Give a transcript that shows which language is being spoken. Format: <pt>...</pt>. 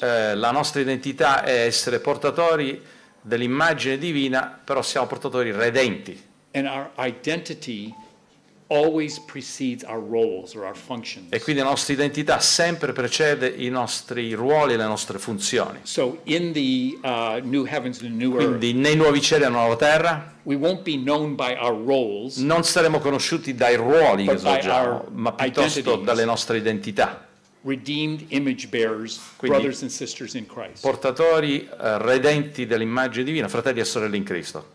<it>La nostra identità è essere portatori dell'immagine divina, però siamo portatori redenti.</it> <en>And our identity always precedes our roles or our functions.</en> <it>E quindi la nostra identità sempre precede i nostri ruoli e le nostre funzioni.</it> <en>So in the new heavens and the new earth.</en> <it>Quindi nei nuovi cieli e nella nuova terra.</it> <en>We won't be known by our roles.</en> <it>Non saremo conosciuti dai ruoli che svolgiamo, ma piuttosto dalle nostre identità.</it> <en>Redeemed image bearers, brothers and sisters in Christ.</en> <it>Portatori redenti dell'immagine divina, fratelli e sorelle in Cristo.</it>